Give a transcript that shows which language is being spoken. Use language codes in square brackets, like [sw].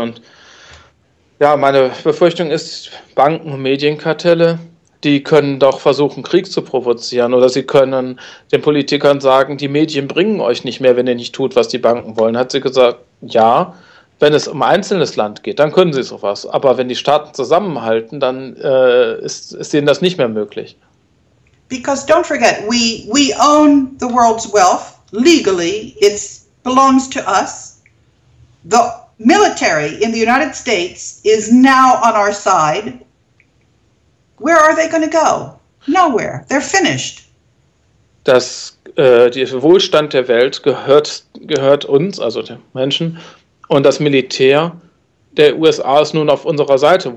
[de] Und ja, meine Befürchtung ist, Banken und Medienkartelle, die können doch versuchen, Krieg zu provozieren. Oder sie können den Politikern sagen, die Medien bringen euch nicht mehr, wenn ihr nicht tut, was die Banken wollen. Hat sie gesagt, ja. Wenn es um ein einzelnes Land geht, dann können sie sowas. Aber wenn die Staaten zusammenhalten, dann ist ihnen das nicht mehr möglich. [en] Because don't forget, we own the world's wealth legally. It belongs to us. The military in the United States is now on our side, where are they going to go? Nowhere. They're finished. [de] Das, der Wohlstand der Welt gehört uns, also den Menschen, und das Militär der USA ist nun auf unserer Seite.